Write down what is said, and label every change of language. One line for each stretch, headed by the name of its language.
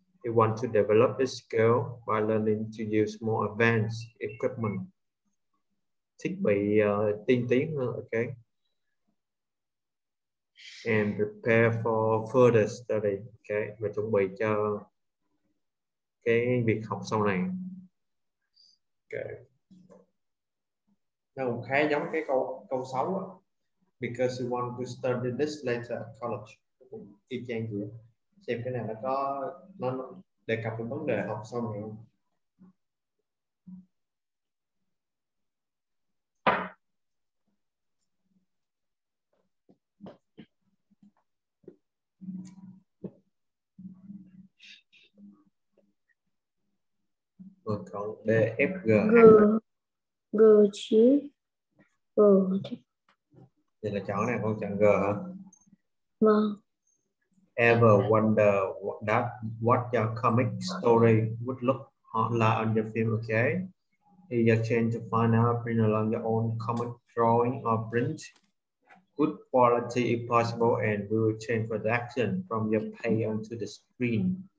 English: He want to develop his skill by learning to use more advanced equipment,
Vietnamese: thiết bị tiên tiến hơn,
English: okay, and prepare for further study, okay,
Vietnamese: và chuẩn bị cho cái việc học sau này. Okay, nó cũng khá giống cái câu 6 á.
English: Because you want to study this later at college.
Vietnamese: Y chang vậy. Xem cái này nó có nó đề cập đến vấn đề học xong rồi không? Rồi còn D, F, G, H. G, G, G, G. Thì là chọn này, con chọn G hả? Vâng.
English: Ever wonder what your comic story would look like on the film, okay? Is your chance to find out, bring along your own comic drawing or print. Good quality if possible, and we will change for the action from your page onto the screen.